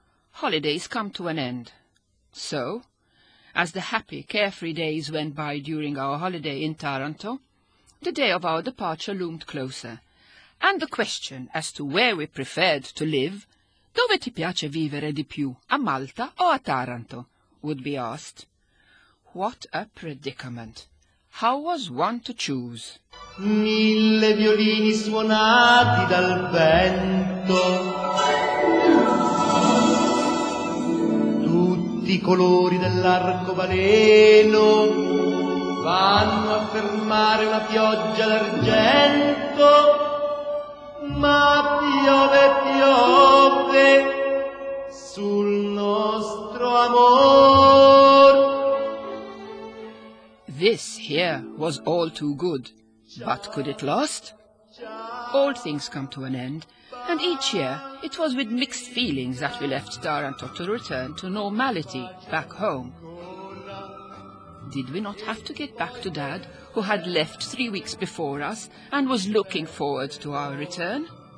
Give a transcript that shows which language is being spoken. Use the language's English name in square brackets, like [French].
[English] Holidays come to an end. So, as the happy, carefree days went by during our holiday in Taranto, the day of our departure loomed closer, and the question as to where we preferred to live, [Italian] dove ti piace vivere di più, a Malta o a Taranto, [English] would be asked. What a predicament! How was one to choose? [Italian] Mille violini suonati dal vento. I colori dell'arcobaleno vanno a fermare una pioggia d'argento, ma piove, piove sul nostro amor. [English] This here was all too good, but could it last? All things come to an end. And each year, it was with mixed feelings that we left Taranto to return to normality back home. Did we not have to get back to Dad, who had left 3 weeks before us and was looking forward to our return?